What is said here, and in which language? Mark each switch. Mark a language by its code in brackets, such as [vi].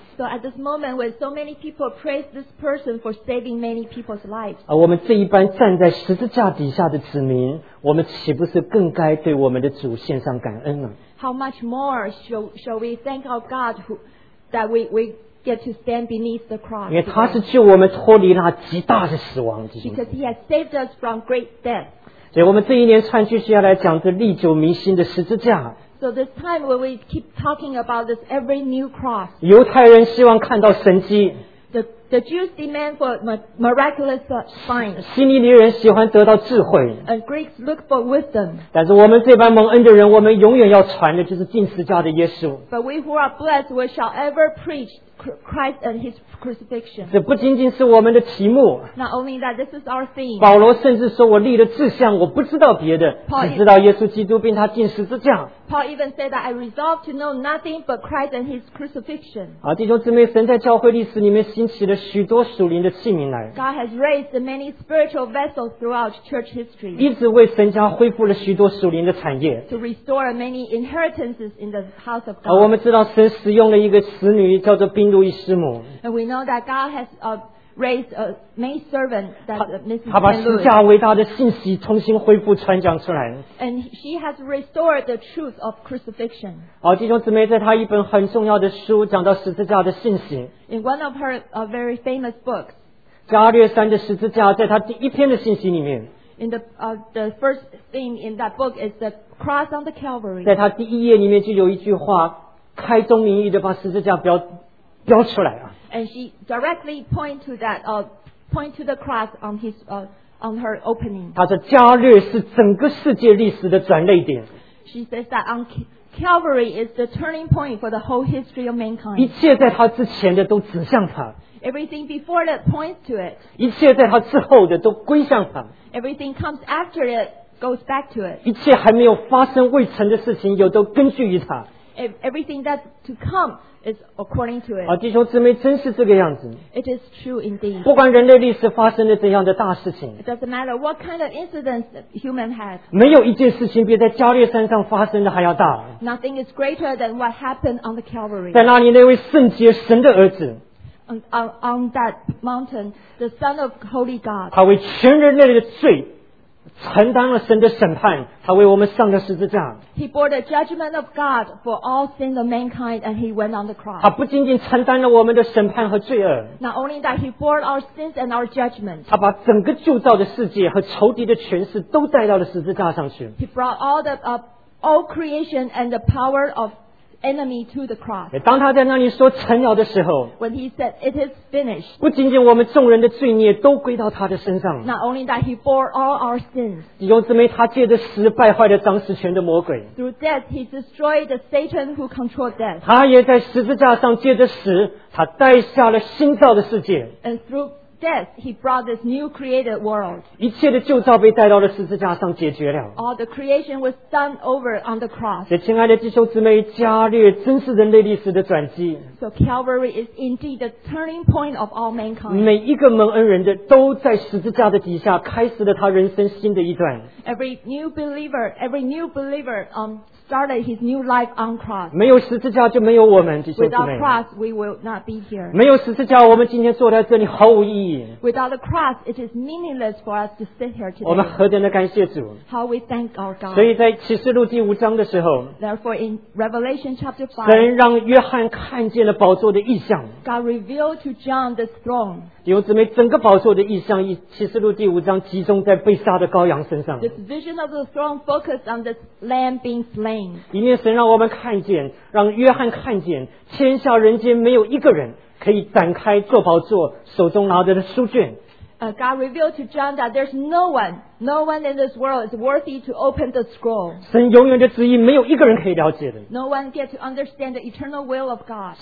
[en] So at this moment when so many people praise this person for saving many people's lives. [zh] 我们这一班站在十字架底下的子民，我们岂不是更该对我们的主献上感恩呢？ [en] How much more shall we thank our God who, that we get to stand beneath the cross? [zh] 因为他是救我们脱离那极大的死亡。 [en] Because he has saved us from great death. [zh] 所以我们这一连串继续要来讲这历久弥新的十字架。 [en] So this time when we keep talking about this every new cross. [zh] 犹太人希望看到神迹。 [en] The Jews demand for miraculous signs. [zh] 希尼尼人喜欢得到智慧。 [en] And Greeks look for wisdom. [zh] 但是我们这班蒙恩的人，我们永远要传的就是钉十字架的耶稣。 [en] But we who are blessed, we shall ever preach Christ and His crucifixion. [zh] 这不仅仅是我们的题目。 [en] Not only that, this is our theme. [zh] 保罗甚至说我立了志向，我不知道别的，只知道耶稣基督并他钉十字架。 [en] Paul even said that I resolved to know nothing but Christ and His crucifixion. [zh] 好，弟兄姊妹，神在教会历史里面兴起了许多属灵的器皿来。 [en] God has raised many spiritual vessels throughout church history. [zh] 一直为神家恢复了许多属灵的产业。 [en] To restore many inheritances in the house of God. [zh] 我们知道神使用了一个使女叫做宾路易师母。 [en] And we know that God has raised a maid servant that Mrs. [zh] 他把十架伟大的信息重新恢复传讲出来。 [en] And she has restored the truth of crucifixion. [zh] 好，弟兄姊妹，在她一本很重要的书讲到十字架的信息。 [en] In one of her very famous books. [zh] 加略山的十字架，在她第一篇的信息里面。 [en] In the first theme in that book is the cross on the Calvary. [zh] 在她第一页里面就有一句话，开宗明义的把十字架标出来啊。 [en] And she directly point to the cross on his on her opening. [zh] 她说加略是整个世界历史的转捩点。 [en] She says that on Calvary is the turning point for the whole history of mankind. [zh] 一切在他之前的都指向他。 [en] Everything before that points to it. [zh] 一切在他之后的都归向他。 [en] Everything comes after it goes back to it. [zh] 一切还没有发生未成的事情，有都根据于他。 [en] Everything that's to come is according to it. [zh] 好，弟兄姊妹，真是这个样子。 [en] It is true indeed. [zh] 不管人类历史发生了怎样的大事情。 [en] It doesn't matter what kind of incidents human has. [zh] 没有一件事情比在加略山上发生的还要大。 [en] Nothing is greater than what happened on the Calvary. [zh] 在那里那位圣洁神的儿子。 [en] On that mountain, the Son of Holy God. [zh] 他为全人类的罪。承担了神的审判，他为我们上了十字架。 [en] He bore the judgment of God for all sins of mankind, and he went on the cross. [zh] 他不仅仅承担了我们的审判和罪恶。 [en] Not only that, he bore our sins and our judgment. [zh] 他把整个旧造的世界和仇敌的权势都带到了十字架上去。 [en] He brought all the all creation and the power of enemy to the cross. [zh] 当他在那里说成了的时候 [en] ，When he said it is finished， [zh] 不仅仅我们众人的罪孽都归到他的身上。 [en] Not only that he bore all our sins， [zh] 弟兄姊妹，他借着死败坏了掌死权的魔鬼。 [en] Through death he destroyed the Satan who controlled death。 [zh] 他也在十字架上借着死，他带下了新造的世界。 [en] And through death he brought this new created world。 [zh] 一切的旧造被带到了十字架上解决了。 [en] All the creation was done over on the cross。 [zh] 所以，亲爱的弟兄姊妹，加略真是人类历史的转机。 [en] So Calvary is indeed the turning point of all mankind。 [zh] 每一个蒙恩人的都在十字架的底下开始了他人生新的一段。 [en] Every new believer started his new life on cross。 [zh] 没有十字架就没有我们，弟兄姊妹。 [en] Without cross, we will not be here。 [zh] 没有十字架，我们今天坐在这里毫无意义。 [en] Without the cross, it is meaningless for us to sit here today. [zh] 我们何等的感谢主。 [en] How we thank our God. [zh] 所以在启示录第五章的时候 [en] ，Therefore in Revelation chapter 5, [zh] 神让约翰看见了宝座的意象。 [en] God revealed to John the throne. [zh] 弟兄姊妹，整个宝座的意象，启示录第五章集中在被杀的羔羊身上。 [en] This vision of the throne focused on this lamb being slain. [zh] 一面神让我们看见，让约翰看见，天下人间没有一个人。可以展开坐宝座手中拿着的书卷。 [en] God revealed to John that there's no one in this world is worthy to open the scroll. [zh] 神永远的旨意没有一个人可以了解的。 [en] No one get to understand the eternal will of God.